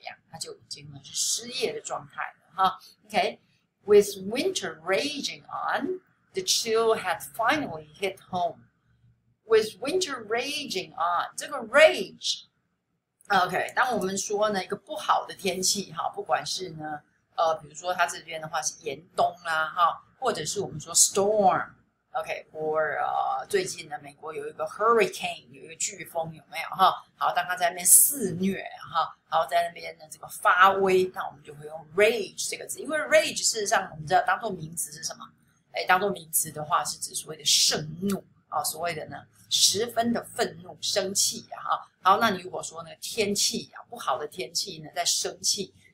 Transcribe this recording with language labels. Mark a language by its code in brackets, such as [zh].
[zh] 当然是比他呢，现在那个时候在路上开车了，更之前就已经发生的事情，也就是说呢，这个在故事发生的这个时候，他就已经是怎么样？他就已经呢是失业的状态了，OK. [en] With winter raging on, the chill had finally hit home. With winter raging on, 这个 rage, OK. [zh] 当我们说呢一个不好的天气，不管是呢。比如说它这边的话是严冬啦，或者是我们说 storm，OK，或者最近呢，美国有一个 hurricane， 有一个飓风，有没有？好，当它在那边肆虐，然后在那边呢这个发威，那我们就会用 rage 这个字，因为 rage 事实上我们知道当做名词是什么？当做名词的话是指所谓的盛怒，所谓的呢十分的愤怒、生气，好，那你如果说那个天气不好的天气呢在生气。